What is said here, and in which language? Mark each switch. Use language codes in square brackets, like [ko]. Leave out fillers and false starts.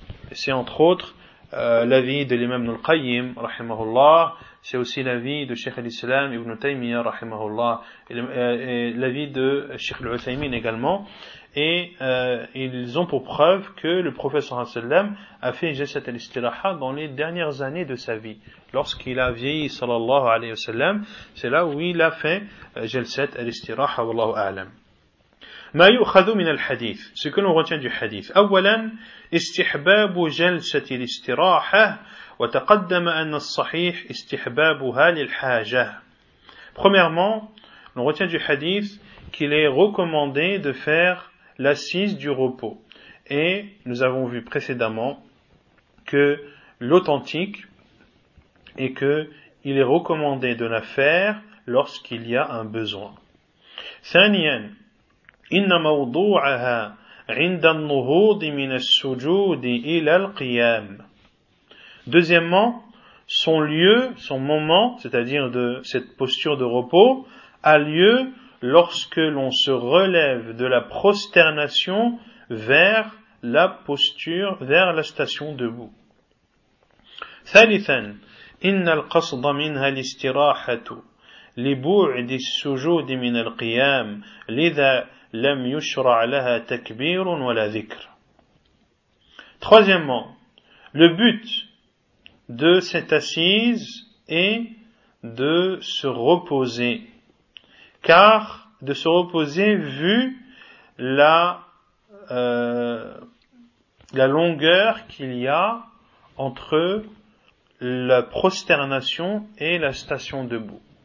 [fr] Et c'est entre autres l'avis de l'imam al-Qayyim rahimahullah, c'est aussi l'avis de Cheikh al-Islam ibn Taymiyyah rahimahullah, et l'avis de Cheikh al-Uthaymin également, et ils ont pour preuve que le prophète sallallahu alayhi wa sallam a fait jalsat al-istiraha dans les dernières années de sa vie, lorsqu'il a vieilli sallallahu alayhi wa sallam, c'est là où il a fait jalsat al-istiraha, wallahu a'lam. [ar] ما يؤخذ من الحديث سيكون غنتين دي حديث أولا استحباب جلسة الاستراحة وتقدم أن الصحيح استحبابها للحاجة. [fr] Premièrement, on retient du hadith qu'il est recommandé de faire l'assise du repos. Et nous avons vu précédemment que l'authentique est que il est recommandé de la faire lorsqu'il y a un besoin. [ar] ثانياً إن موضوعها عند النهوض من السجود إلى القيام. [fr] Deuxièmement, son lieu, son moment, c'est-à-dire de cette posture de repos, a lieu lorsque l'on se relève de la prosternation vers la posture, vers la station debout. [ar] ثالثاً, إن القصد منها الاستراحة لبعد السجود من القيام لذا لم يشرع لها تكبير ولا ذكر. [fr] Troisièmement, le but de cette assise est de se reposer, car de se reposer vu la longueur qu'il y a entre la prosternation et la station debout.